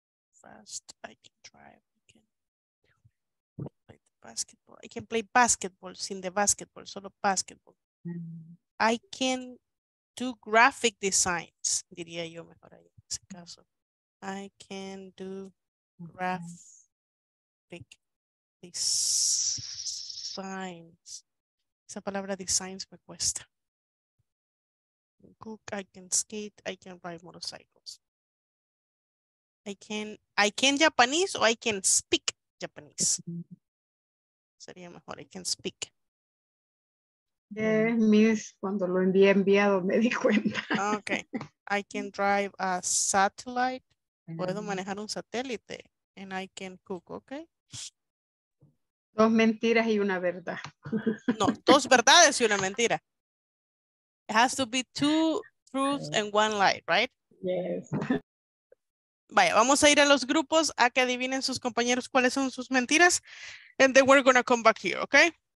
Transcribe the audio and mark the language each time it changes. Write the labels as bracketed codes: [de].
[en] Fast, I can drive, I can play the basketball. I can play basketball, sin the basketball, solo basketball. I can do graphic designs, [es] diría yo mejor ahí en ese caso. [en] I can do graphic designs. [es] Esa palabra designs me cuesta. [en] Cook, I can skate, I can ride motorcycles. I can Japanese or I can speak Japanese. [es] Sería mejor, [en] I can speak. [es] Yeah, Miss, cuando lo envié enviado me di cuenta. [en] Okay. I can drive a satellite. [es] Puedo manejar un satélite. [en] And I can cook, okay. [es] Dos mentiras y una verdad. No, dos verdades y una mentira. [en] It has to be two truths and one lie, right? Yes. [es] Vaya, vamos a ir a los grupos a que adivinen sus compañeros cuáles son sus mentiras. [en] And then we're gonna come back here, okay?